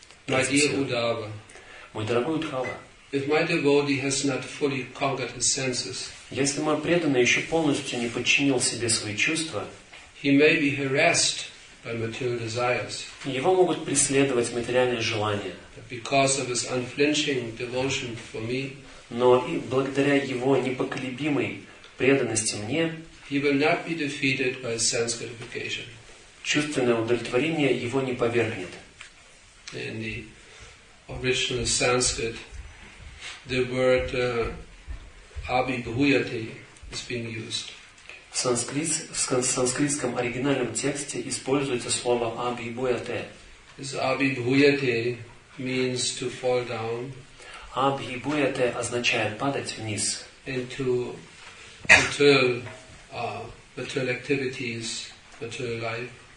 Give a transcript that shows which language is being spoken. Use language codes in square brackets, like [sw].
[ru] Мой дорогой Удхава, если мой преданный еще полностью не подчинил себе свои чувства, его могут преследовать материальные желания. Но и благодаря его непоколебимой преданности мне, [en] he will not be defeated by sense gratification. [ru] Чувственное удовлетворение его не повергнет. [en] In the original Sanskrit, the word abhibhuyate is being used. [ru] В санскритском оригинальном тексте используется слово abhibhuyate. [en] This abhibhuyate means to fall down. [ru] Abhibhuyate означает падать вниз. [en] Material activities, material life.